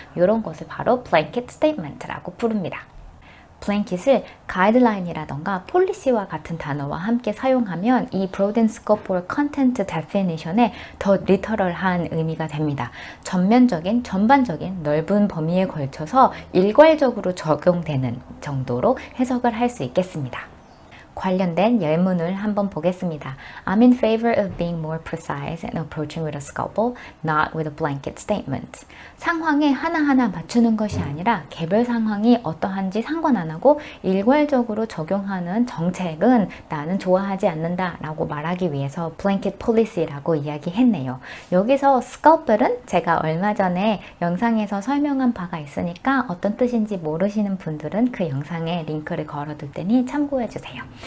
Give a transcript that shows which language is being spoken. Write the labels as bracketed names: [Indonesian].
[Korean] 이런 것을 바로 blanket statement라고 부릅니다. 블랭킷을 가이드라인이라던가 폴리시와 같은 단어와 함께 사용하면 이 [English] broad in scope or content definition [Korean] 에 더 리터럴한 의미가 됩니다. 전면적인, 전반적인, 넓은 범위에 걸쳐서 일괄적으로 적용되는 정도로 해석을 할수 있겠습니다. 관련된 예문을 한번 보겠습니다. [English] I'm in favor of being more precise and approaching with a scalpel, not with a blanket statement. [Korean] 상황에 하나하나 맞추는 것이 아니라 개별 상황이 어떠한지 상관 안 하고 일괄적으로 적용하는 정책은 나는 좋아하지 않는다라고 말하기 위해서 blanket policy라고 이야기했네요. 여기서 scalpel은 제가 얼마 전에 영상에서 설명한 바가 있으니까 어떤 뜻인지 모르시는 분들은 그 영상에 링크를 걸어둘 테니 참고해 주세요.